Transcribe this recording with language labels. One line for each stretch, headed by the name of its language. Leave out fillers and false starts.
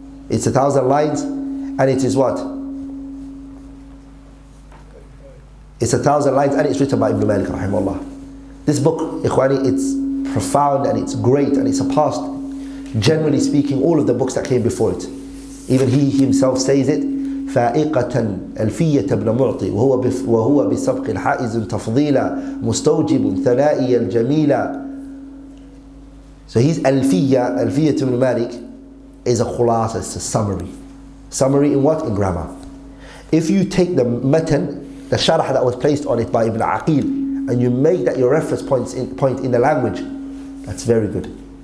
English: It's 1,000 lines and it is what? It's 1,000 lines and it's written by Ibn Malik, rahimahullah. This book, Ikhwani, it's profound and it's great and it's surpassed. Generally speaking, all of the books that came before it. Even he himself says it,
Arabic: فَائِقَةً أَلْفِيَّةَ ابْنَ مُعْطِي وَهُوَ بِسَبْقٍ حَائِزٌ تَفْضِيلًا مُسْتَوْجِبٌ ثَنَائِيًا جَمِيلًا.
English: So his Alfiyyah ibn Malik, is a khulasa, it's a summary. Summary in what? In grammar. If you take the matan, the sharah that was placed on it by Ibn Aqil, and you make that your reference point in the language, that's very good.